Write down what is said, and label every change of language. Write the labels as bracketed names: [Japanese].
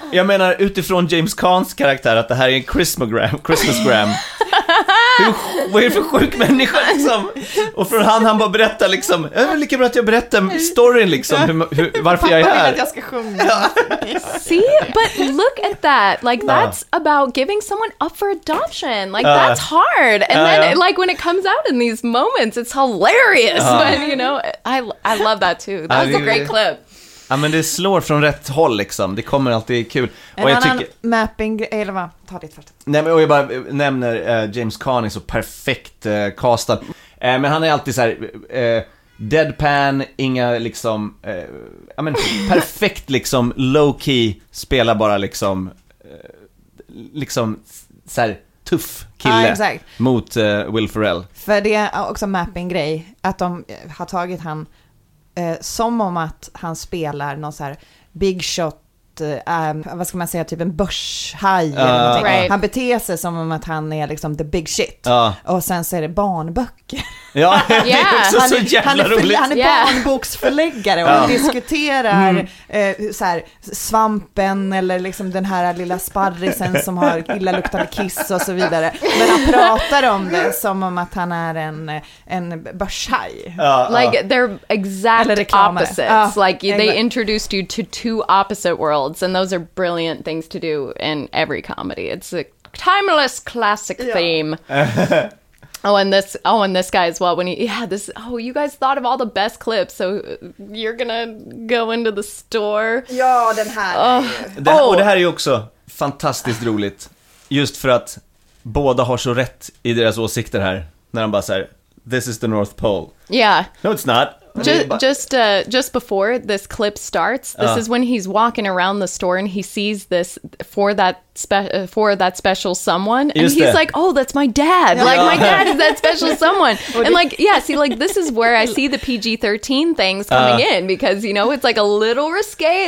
[Swedish] Jag menar utifrån James Caans karaktär att det här är en Christmas gram. Vad är det för sjuk människa liksom? Och från han bara berättar liksom, jag vill lika bra att jag berättar storyn liksom, varför jag är här. Jag ska sjunga. [English] See, but look at that. Like that's about giving someone up for adoption. Like that's hard. And then like when it comes out in these moments, it's hilarious. But you know, I love that too. That was a great clip. [Swedish] Ja, men det slår från rätt håll liksom. Det kommer alltid kul. Och jag tycker mapping eller vad, ta ditt först. Nej, men jag bara nämner James Caan är så perfekt castad. Men han är alltid så här deadpan, inga liksom ja men perfekt liksom low key, spelar bara liksom liksom så här tuff kille mot Will Ferrell. För det är också mapping grej att de har tagit han som om att han spelar någon så här big shot, vad ska man säga, typ en börshaj eller någonting. [English] Right. [Swedish] Han beter sig som om att han är liksom [English] the big shit. [Swedish] Och sen så är det barnböcker. Ja, det är också så jävla roligt. Han är barnboksförläggare och diskuterar så här, svampen eller liksom den här lilla sparrisen som har illaluktande kiss och så vidare. Men han pratar om det som om att han är en börshaj. [English] Like they're exact opposites. Like they introduced you to two opposite worlds and those are brilliant things to do in every comedy. It's a timeless classic theme. Oh, and this guy as well. When you guys thought of all the best clips, so you're gonna go into the store. [Swedish] Ja, den här. Och det här är ju också fantastiskt roligt. Just för att båda har så rätt i deras åsikter här. När de bara säger, [English] this is the North Pole. Yeah. No, it's not. Just before this clip starts, this is when he's walking around the store and he sees this for that special someone, and he's like, "Oh, that's my dad! Yeah. Like my dad is that special someone." And like, yeah, see, like this is where I see the PG-13 things coming in because you know it's like a little risque.